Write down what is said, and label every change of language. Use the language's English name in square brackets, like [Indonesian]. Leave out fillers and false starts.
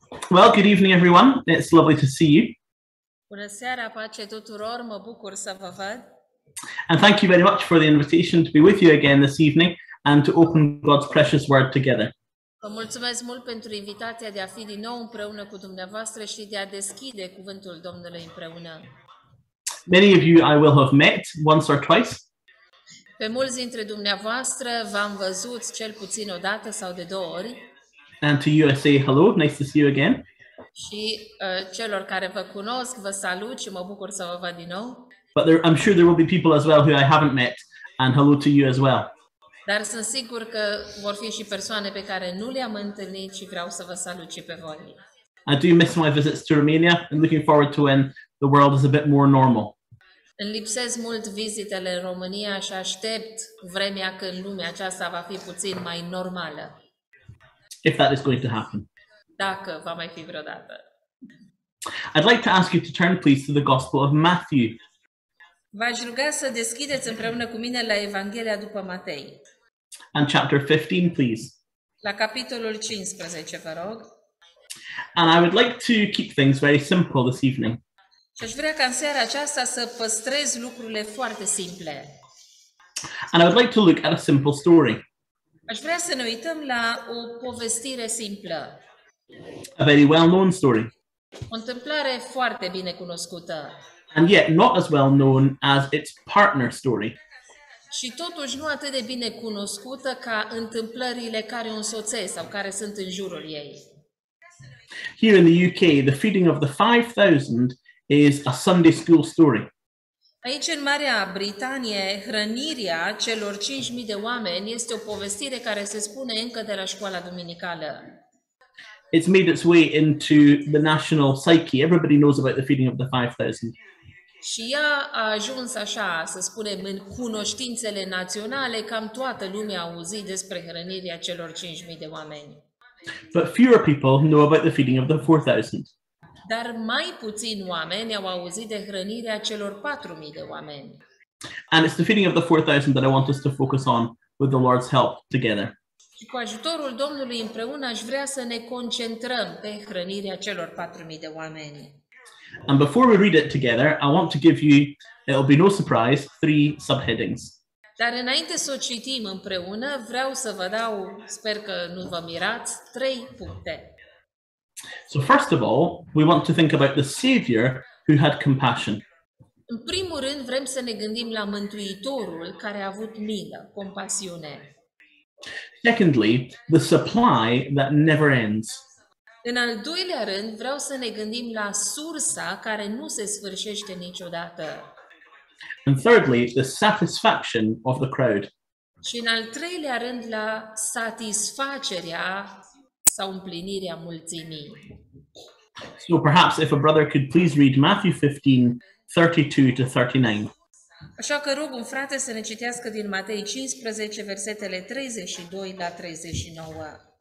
[English] Well, good evening, everyone. It's lovely to see you. [Romanian] Bună seara, pace tuturor. Mă bucur să vă văd. [English] And thank you very much for the invitation to be with you again this evening and to open God's precious word together. [Romanian] Vă mulțumesc mult pentru invitația de a fi din nou împreună cu dumneavoastră și de a deschide cuvântul Domnului împreună. [English] Many of you I will have met once or twice. [Romanian] Pe mulți dintre dumneavoastră v-am văzut cel puțin o dată sau de două ori. [English] And to you I say hello, nice to see you again. [Romanian] Și celor care vă cunosc, vă salut și mă bucur să vă văd din nou. [English] But there, I'm sure there will be people as well who I haven't met, and hello to you as well. [Romanian] Dar sunt sigur că vor fi și persoane pe care nu le-am întâlnit și vreau să vă salut și pe voi. [English] I do miss my visits to Romania and looking forward to when the world is a bit more normal. [Romanian] Îmi lipsesc mult vizitele în România și aștept vremea când lumea aceasta va fi puțin mai normală. [English] If that is going to happen. [Romanian] Dacă va mai fi vreodată. [English] I'd like to ask you to turn please to the Gospel of Matthew. [Romanian] V-aș ruga să deschideți împreună cu mine la Evanghelia după Matei. [English] And chapter 15, please. [Romanian] La capitolul 15, vă rog. [English] And I would like to keep things very simple this evening. [Romanian] Și aș vrea ca în seara aceasta să păstrez lucrurile foarte simple. [English] And I would like to look at a simple story. [Romanian] Aș vrea să ne uităm la o povestire simplă. [English] A very well-known story. [Romanian] O întâmplare foarte bine cunoscută. [English] And yet not as well known as its partner story. [Romanian] Și totuși nu atât de bine cunoscută ca întâmplările care o însoțesc sau care sunt în jurul ei. [English] Here in the UK, the feeding of the 5,000 is a Sunday school story. [Romanian] Aici în Marea Britanie, hrănirea celor 5,000 de oameni este o povestire care se spune încă de la școala duminicală. [English] It's made its way into the national psyche. Everybody knows about the feeding of the 5,000. [Romanian] Și ea a ajuns așa, să spunem, în cunoștințele naționale, cam toată lumea a auzit despre hrănirea celor 5,000 de oameni. [English] But fewer people know about the feeding of the 4,000. [Romanian] Dar mai puțin oameni au auzit de hrănirea celor 4,000 de oameni. [English] And it's the feeding of the 4,000 that I want us to focus on with the Lord's help together. [Romanian] Și cu ajutorul Domnului împreună aș vrea să ne concentrăm pe hrănirea celor 4,000 de oameni. [English] And before we read it together, I want to give you, it will be no surprise, 3 subheadings. [Romanian] Dar înainte să o citim împreună, vreau să vă dau, sper că nu vă mirați, 3 puncte. [English] So first of all, we want to think about the Savior who had compassion. [Romanian] În primul rând, vrem să ne gândim la Mântuitorul care a avut milă, compasiune. [English] Secondly, the supply that never ends. [Romanian] În al doilea rând, vreau să ne gândim la sursa care nu se sfârșește niciodată. [English] And thirdly, the satisfaction of the crowd. [Romanian] Și în al treilea rând, la satisfacerea sau împlinirea mulțimii. [English] So perhaps if a brother could please read Matthew 15:32-39. [Romanian] Așa că rog un frate să ne citească din Matei 15, versetele 32-39.